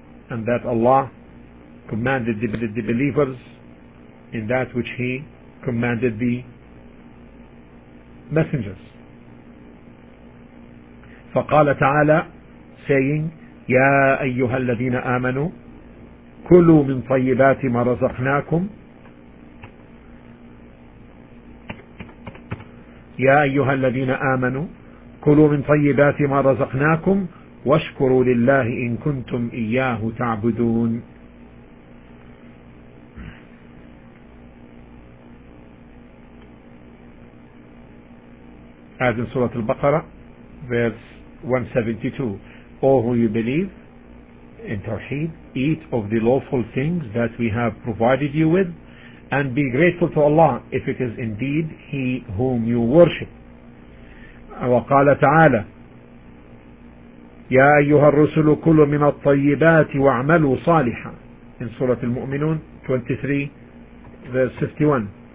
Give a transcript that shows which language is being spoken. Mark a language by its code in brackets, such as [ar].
[en] And that Allah commanded the believers in that which He commanded the messengers. [ar] فَقَالَ تَعَالَى, [en] saying, [ar] يا أيها الذين آمنوا كلوا من طيبات ما رزقناكم. يا أيها الذين آمنوا كلوا من طيبات ما رزقناكم واشكروا لله إن كنتم إياه تعبدون. [en] As in Surah Al-Baqarah, verse 172. O who you believe in Tawheed, eat of the lawful things that we have provided you with, and be grateful to Allah if it is indeed He whom you worship. [ar] وقال تعالى يا أيها الرسل كل من الطيبات واعملوا صالحا. [en] In Surah Al-Mu'minun 23 verse 51.